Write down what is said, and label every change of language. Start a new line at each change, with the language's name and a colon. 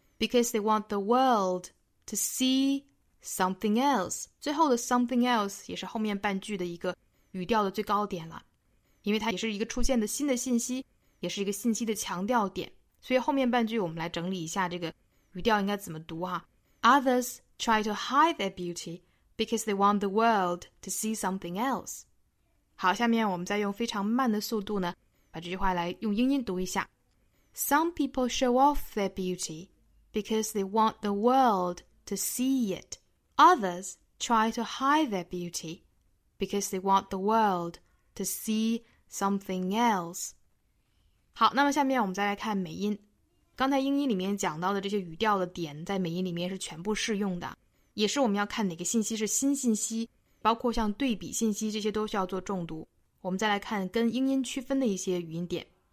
English: Because they want the world to see something else，
Chinese: 最后的 something else 也是后面半句的一个语调的最高点了，因为它也是一个出现的新的信息，也是一个信息的强调点，所以后面半句我们来整理一下这个语调应该怎么读哈。
English: Others try to hide their beauty because they want the world to see something else。
Chinese: 好，下面我们再用非常慢的速度呢把这句话来用英音读一下。
English: Some people show off their beauty because they want the world to see it. Others try to hide their beauty because they want the world to see something else.
Chinese: 好，那么下面我们再来看美音。刚才英音里面讲到的这些语调的点在美音里面是全部适用的，也是我们要看哪个信息是新信息，包括像对比信息，这些都需要做重读。我们再来看跟英音区分的一些语音点。